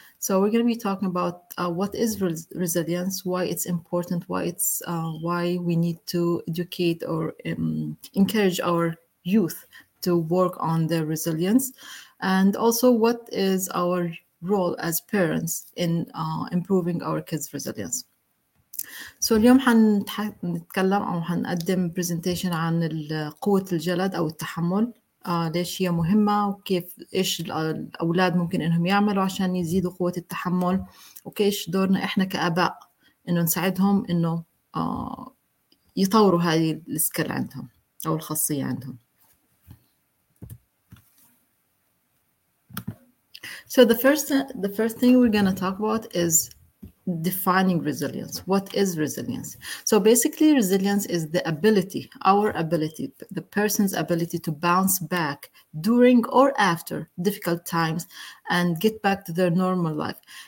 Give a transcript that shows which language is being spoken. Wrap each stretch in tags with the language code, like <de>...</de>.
<en>So we're going to be talking about what is resilience, why it's important, why we need to educate or encourage our youth to work on their resilience, and also what is our role as parents in improving our kids' resilience.</en> <ar>So اليوم حنتكلم أو حنقدم presentation عن قوة الجلد أو التحمل. ليش هي مهمة وكيف إيش الأولاد ممكن إنهم يعملوا عشان يزيدوا قوة التحمل وكيش دورنا إحنا كآباء إنه نساعدهم إنه يطوروا هذه السكيل عندهم أو الخاصية عندهم.</ar> <en>So the first thing we're going to talk about is defining resilience. What is resilience? So basically, resilience is the ability, our ability, the person's ability to bounce back during or after difficult times and get back to their normal life.</en>